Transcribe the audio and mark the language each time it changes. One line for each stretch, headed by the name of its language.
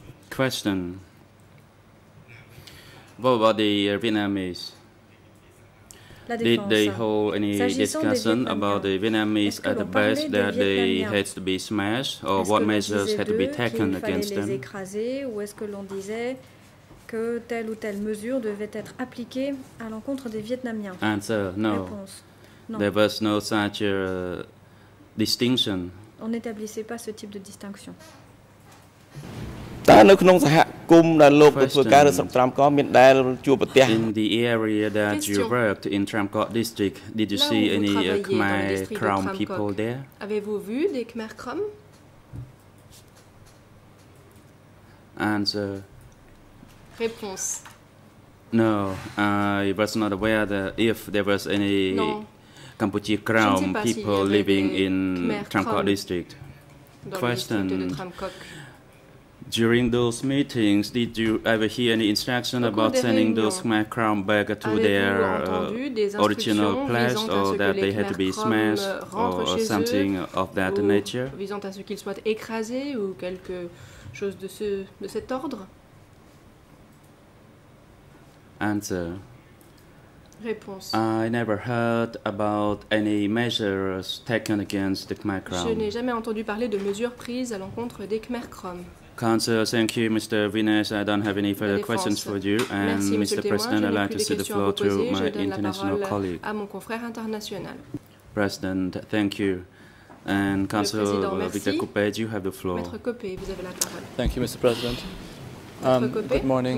English: Question. What about the Vietnamese? Did they hold any discussion about the Vietnamese at the base that they had to be smashed, or what measures had to be taken against them?
French: Les écraser, ou est-ce que l'on disait que telle ou telle mesure devait être appliquée à l'encontre des Vietnamiens?
English: Answer, no.
French: Réponse,
English: there was no such distinction.
French: On n'établissait pas ce type de distinction.
English: In the area that you worked in Tramcock district, did you see any Khmer Krom people there?
French: Avez-vous vu des Khmer Krom?
English: Answer.
French: Réponse.
English: No, I was not aware that if there was any Cambodia Krom people living in Tramcock district. Question. During those meetings, did you ever hear any instruction about sending those Khmer Krom back to their original place, or that they had to be smashed, or something of that nature?
French: Visant à ce qu'ils soient écrasés ou quelque chose de ce de cet ordre?
English: Answer.
French: Réponse.
English: I never heard about any measures taken against the Khmer Krom.
French: Je n'ai jamais entendu parler de mesures prises à l'encontre des Khmer Krom.
English: Council, thank you, Mr. Vines. I don't have any further questions for you. And
French: merci,
English: Mr. President, I'd like to cede the floor to my international colleague.
French: À mon confrère international.
English: President, thank you. And Council Victor Coupé, you have the floor.
French: Maître Coupé, vous avez la parole.
English: Thank you, Mr. President. Good morning,